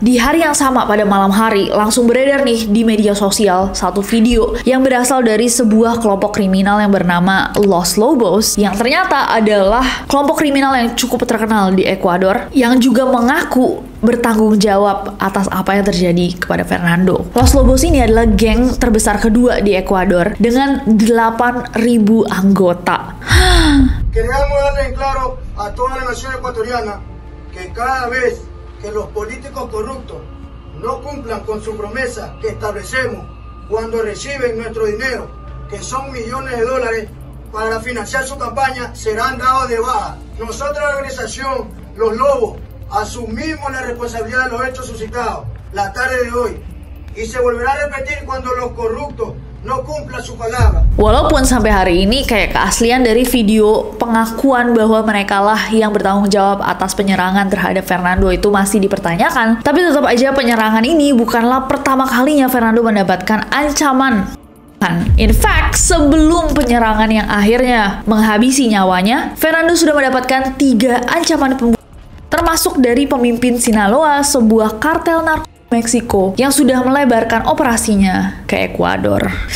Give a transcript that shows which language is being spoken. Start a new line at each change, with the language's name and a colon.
Indonesian: Di hari yang sama pada malam hari, langsung beredar nih di media sosial satu video yang berasal dari sebuah kelompok kriminal yang bernama Los Lobos, yang ternyata adalah kelompok kriminal yang cukup terkenal di Ekuador, yang juga mengaku bertanggung jawab atas apa yang terjadi kepada Fernando. Los Lobos ini adalah geng terbesar kedua di Ekuador dengan 8.000 anggota.
Spanish: Queremos darle en claro a toda la nación ecuatoriana que cada vez que los políticos corruptos no cumplan con su promesa que establecemos cuando reciben nuestro dinero, que son millones de dólares, para financiar su campaña, serán dados de baja. Nosotros, la organización Los Lobos, asumimos la responsabilidad de los hechos suscitados la tarde de hoy y se volverá a repetir cuando los corruptos no cumplan su palabra.
Indonesian: Walaupun sampai hari ini kayak keaslian dari video pengakuan bahwa mereka lah yang bertanggung jawab atas penyerangan terhadap Fernando itu masih dipertanyakan, tapi tetap aja penyerangan ini bukanlah pertama kalinya Fernando mendapatkan ancaman.
English: In fact,
Indonesian: sebelum penyerangan yang akhirnya menghabisi nyawanya, Fernando sudah mendapatkan 3 ancaman pembunuhan, termasuk dari pemimpin Sinaloa, sebuah kartel narkoba Meksiko yang sudah melebarkan operasinya ke Ekuador.